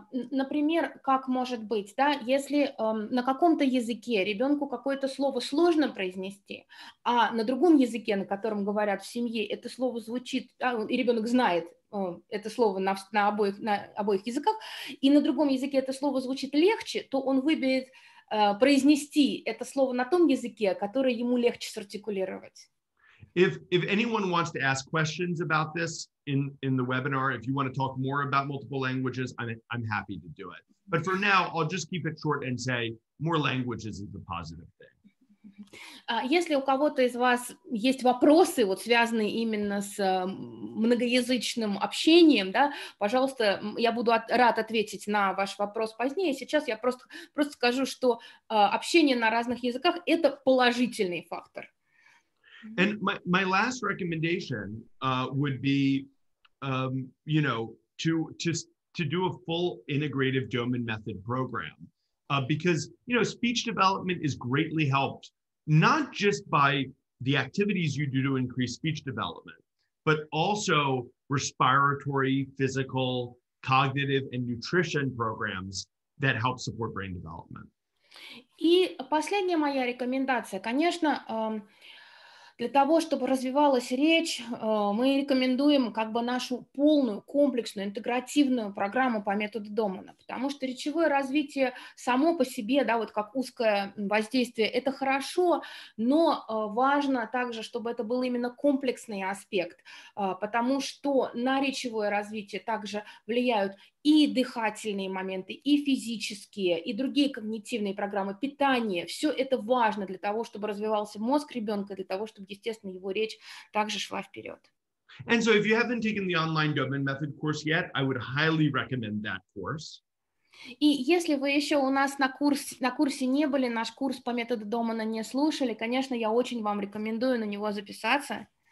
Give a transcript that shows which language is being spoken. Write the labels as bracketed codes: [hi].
[ru] Например, как может быть, да, если на каком-то языке ребенку какое-то слово сложно произнести, а на другом языке, на котором говорят в семье, это слово звучит, да, и ребенок знает это слово на обоих языках, и на другом языке это слово звучит легче, то он выберет произнести это слово на том языке, который ему легче сартикулировать. [en] If anyone wants to ask questions about this in the webinar, if you want to talk more about multiple languages, I'm happy to do it. But for now, I'll just keep it short and say more languages is a positive thing. [ru] Если у кого-то из вас есть вопросы, вот связанные именно с многоязычным общением, да, пожалуйста, я буду рад ответить на ваш вопрос позднее. Сейчас я просто скажу, что общение на разных языках — это положительный фактор. [en] And my last recommendation would be, you know, to do a full integrative Doman method program, because, you know, speech development is greatly helped, not just by the activities you do to increase speech development, but also respiratory, physical, cognitive and nutrition programs that help support brain development. [ru] И последняя моя рекомендация, конечно, для того, чтобы развивалась речь, мы рекомендуем как бы нашу полную, комплексную, интегративную программу по методу Домана, потому что речевое развитие само по себе, да, вот как узкое воздействие, это хорошо, но важно также, чтобы это был именно комплексный аспект, потому что на речевое развитие также влияют и дыхательные моменты, и физические, и другие когнитивные программы, питание. Все это важно для того, чтобы развивался мозг ребенка, для того, чтобы, естественно, его речь также шла вперед. [en] And so if you haven't taken the online Doman method course yet, I would highly recommend that course. [ru] И если вы еще у нас на курсе не были, наш курс по методу Домана не слушали, конечно, я очень вам рекомендую на него записаться.